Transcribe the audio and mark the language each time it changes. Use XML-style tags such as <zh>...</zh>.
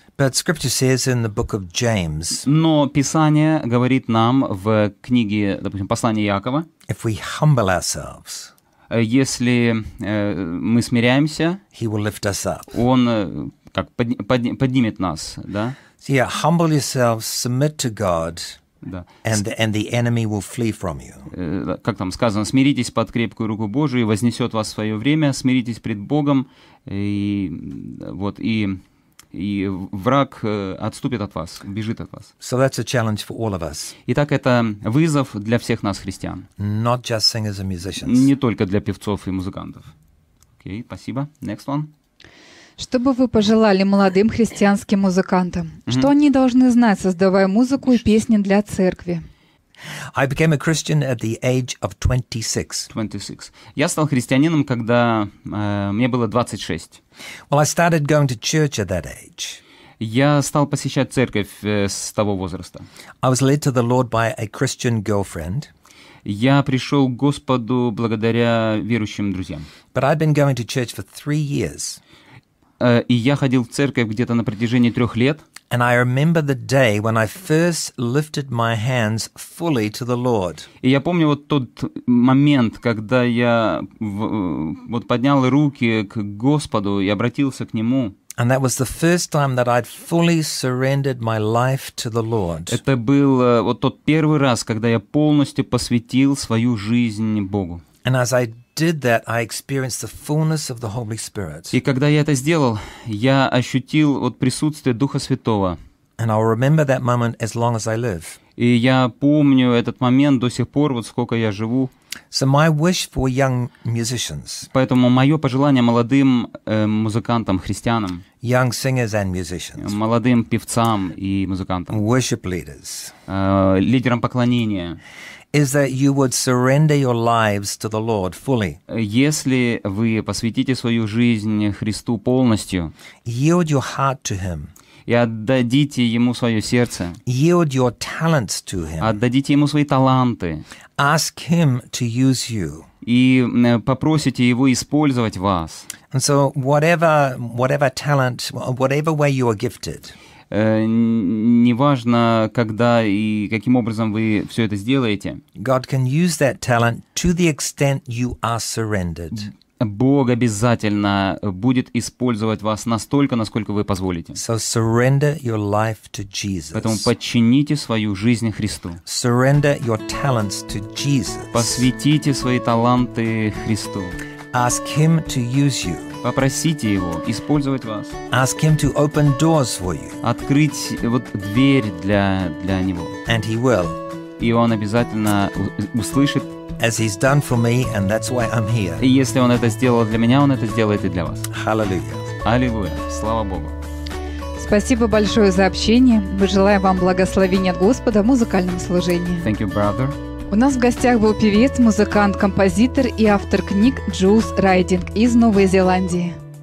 <en>But scripture says in the book of James,</en> <ru>но Писание говорит нам в книге, допустим, послание Якова,</ru> <en>if we humble ourselves,</en> <ru>если мы смиряемся,</ru> <en>he will lift us up.</en> <ru>Он как поднимет нас, да?</ru> <en>So yeah, humble yourselves, submit to God.</en> <ru>Да.</ru> <en>And the enemy will flee from you.</en> <ru>Как там сказано, смиритесь под крепкую руку Божию, и вознесет вас в свое время, смиритесь пред Богом, и враг отступит от вас, бежит от вас.</ru> <en>So that's a challenge for all of us.</en> <ru>Итак, это вызов для всех нас, христиан.</ru> <en>Not just singers and musicians.</en> <ru>Не только для певцов и музыкантов. Окей, спасибо.</ru> <en>Next one.</en> <ru>Что бы вы пожелали молодым христианским музыкантам? Mm-hmm. Что они должны знать, создавая музыку и песни для церкви?</ru> <en>I became a Christian at the age of 26.</en> <ru>26. Я стал христианином, когда мне было 26.</ru> <en>Well, I started going to church at that age.</en> <ru>Я стал посещать церковь с того возраста.</ru> <en>I was led to the Lord by a Christian girlfriend.</en> <ru>Я пришел к Господу благодаря верующим друзьям.</ru> <en>But I'd been going to church for 3 years.</en> <ru>И я ходил в церковь где-то на протяжении 3 лет.</ru> <en>And I remember the day when I first lifted my hands fully to the Lord.</en> <ru>И я помню вот тот момент, когда я вот поднял руки к Господу и обратился к Нему.</ru> <en>And that was the first time that I'd fully surrendered my life to the Lord.</en> <ru>Это был вот тот первый раз, когда я полностью посвятил свою жизнь Богу.</ru> <en>And as I did that, I experienced the fullness of the Holy Spirit.</en> <ru>И когда я это сделал, я ощутил вот присутствие Духа Святого.</ru> <en>And I'll remember that moment as long as I live.</en> <ru>И я помню этот момент до сих пор, вот сколько я живу.</ru> <en>So my wish for young musicians.</en> <ru>Поэтому мое пожелание молодым музыкантам, христианам.</ru> <en>Young singers and musicians.</en> <ru>Молодым певцам и музыкантам.</ru> <en>Worship leaders.</en> <ru>Лидерам поклонения.</ru> <en>Is that you would surrender your lives to the Lord fully?</en> <ru>Если вы посвятите свою жизнь Христу полностью,</ru> <en>yield your heart to Him.</en> <ru>И отдадите ему свое сердце.</ru> <en>Yield your talents to Him.</en> <ru>Отдадите ему свои таланты.</ru> <en>Ask Him to use you.</en> <ru>И попросите его использовать вас.</ru> <en>And so whatever talent, whatever way you are gifted.</en> <ru>Неважно, когда и каким образом вы все это сделаете.</ru> <en>God can use that talent to the extent you are surrendered.</en> <ru>Бог обязательно будет использовать вас настолько, насколько вы позволите.</ru> <en>So surrender your life to Jesus.</en> <ru>Поэтому подчините свою жизнь Христу.</ru> <en>Surrender your talents to Jesus.</en> <ru>Посвятите свои таланты Христу.</ru> <en>Ask Him to use you.</en> <ru>Попросите Его использовать вас.</ru> <en>Ask Him to open doors for you.</en> <ru>Открыть вот дверь для Него.</ru> <en>And He will.</en> <ru>И Он обязательно услышит.</ru> <en>As He's done for me, and that's why I'm here.</en> <ru>И если Он это сделал для меня, Он это сделает и для вас.</ru> <en>Hallelujah.</en> <ru>Аллилуйя. Слава Богу. Спасибо большое за общение. Мы желаем вам благословения от Господа в музыкальном служении.</ru> <en>Thank you, brother.</en> <ru>У нас в гостях был певец, музыкант, композитор и автор книг Джулс Райдинг из Новой Зеландии.</ru>